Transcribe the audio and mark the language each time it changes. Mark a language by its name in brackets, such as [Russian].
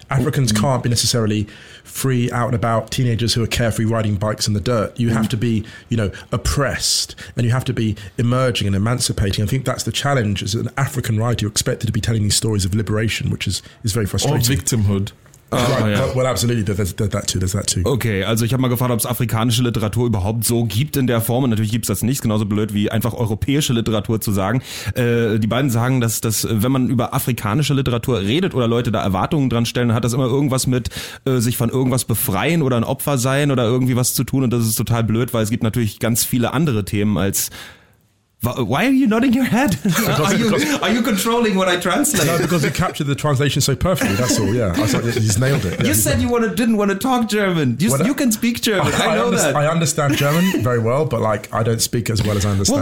[English] Africans can't be necessarily free, out and about teenagers who are carefree riding bikes in the dirt. You have to be, you know, oppressed, and you have to be emerging and emancipating. I think that's the challenge. As an African writer, you're expected to be telling these stories of liberation, which is very frustrating. Or victimhood. Well, absolutely, there's that too. [German] Okay, also ich habe mal gefragt, ob es afrikanische Literatur überhaupt so gibt in der Form. Und natürlich gibt es das nicht. Ist genauso blöd, wie einfach europäische Literatur zu sagen. Die beiden sagen, dass wenn man über afrikanische Literatur redet oder Leute da Erwartungen dran stellen, hat das immer irgendwas mit sich von irgendwas befreien oder ein Opfer sein oder irgendwie was zu tun. Und das ist total blöd, weil es gibt natürlich ganz viele andere Themen als... [English] Why are you nodding your head? Are you controlling what I translate? No, because you captured the translation so perfectly. That's all, yeah. He's nailed it. Yeah. You said you didn't want to talk German. You can speak German. I know that. I understand German very well, but like I don't speak as well as I understand.